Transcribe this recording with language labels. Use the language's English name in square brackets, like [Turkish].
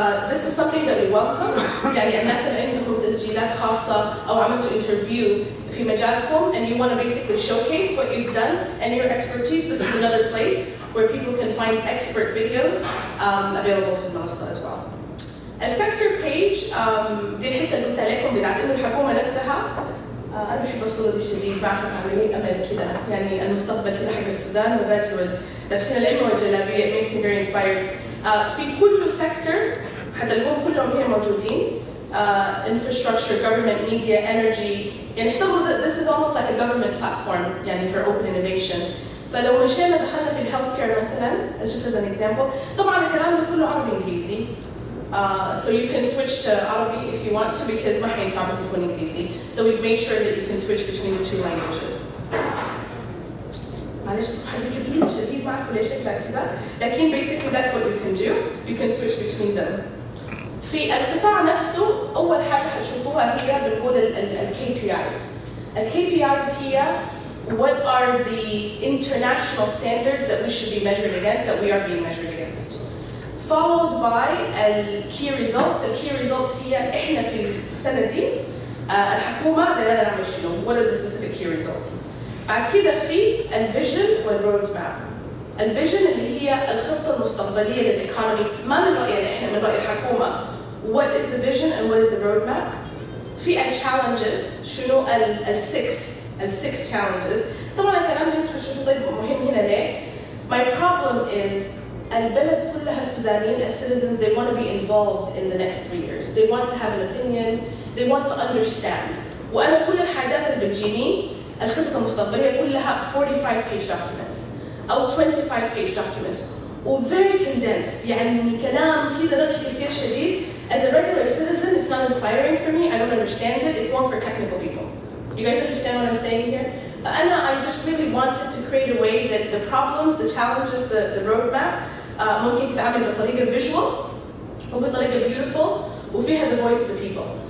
[English] This is something that we welcome. [Arabic] يعني الناس اللي عندهم تسجيلات خاصة أو عملتوا interview في مجالكم [English] and you want to basically showcase what you've done and your expertise, this is another place where people can find expert videos available [Arabic] في المنصة [English] as well. [Arabic] السيكتور بيج دي الحتة اللي قلت لكم بتاعت الحكومة نفسها. أنا بحب الصورة دي شديد, بعرف عاملين أمل كده يعني المستقبل كده حق السودان وراتي ولابسين العلم والجلابية, [English] it makes me very inspired. [Arabic] في كل سيكتور حتلاقوهم كلهم هنا موجودين. [English] Infrastructure, government, media, energy. [Arabic] يعني حتى [English] this is almost like a government platform يعني for open innovation. [Arabic] فلو مشينا دخلنا في الهيلث كير مثلا, [English] just as an example, [Arabic] طبعا الكلام ده كله عربي انجليزي. [English] So you can switch to Arabi if you want to because [Arabic] ما حينفع بس يكون انجليزي. [English] So we've made sure that you can switch between the two languages. [Arabic] معلش صفحتي كبيرة شديد ما اعرف ليش شكلها كذا, لكن [English] basically that's what you can do. You can switch between them. [Arabic] في القطاع نفسه أول حاجة حتشوفوها هي بنقول ال KPIs. [English] ال KPIs هي what are the international standards that we should be measured against, that we are being measured against. Followed by key results. The key results here, [Arabic] إحنا في السنة دي الحكومة دينا نعمل شنو, [English] what are the specific key results. [Arabic] بعد كده في vision والroadmap. Vision اللي هي الخطة المستقبلية للإيكونومي, [English] ما من رأينا [Arabic] إحنا, من رأي الحكومة. [English] What is the vision and what is the roadmap? في challenges, شنو six challenges. [Arabic] طبعا الكلام اللي انتم بتشوفوه طيب مهم هنا ليه؟ [English] My problem is [Arabic] البلد كلها السودانيين, [English] as citizens, they want to be involved in the next 3 years. They want to have an opinion, they want to understand. [Arabic] وانا كل الحاجات اللي بتجيني الخطط المستقبلية كلها 45 page documents او 25 page documents و [English] very condensed, [Arabic] يعني كلام كده رغي كتير شديد. [English] As a regular citizen, it's not inspiring for me. I don't understand it. It's more for technical people. You guys understand what I'm saying here? But Anna, I just really wanted to create a way that the problems, the challenges, the roadmap, [Arabic] ممكن تتعامل بطريقة [English] visual, وبطريقة beautiful, وفيها the voice of the people.